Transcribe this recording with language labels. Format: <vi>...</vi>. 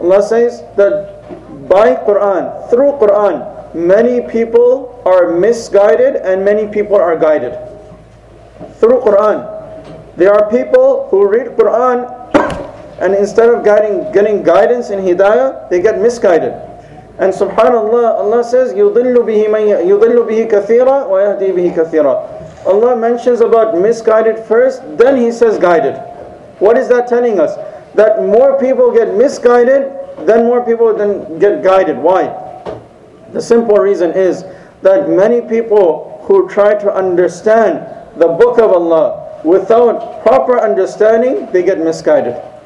<en>Allah says that by Quran, through Quran, many people are misguided and many people are guided. Through Quran. There are people who read Quran and instead of getting guidance in hidayah, they get misguided. And subhanAllah, Allah says,</en> <ar>يُضِلُّ بِهِ كَثِيرًا وَيَهْدِي بِهِ كَثِيرًا.</ar> <en>Allah mentions about misguided first, then He says guided. What is that telling us? That more people get misguided, then more people then get guided. Why? The simple reason is that many people who try to understand the Book of Allah without proper understanding, they get misguided.</en>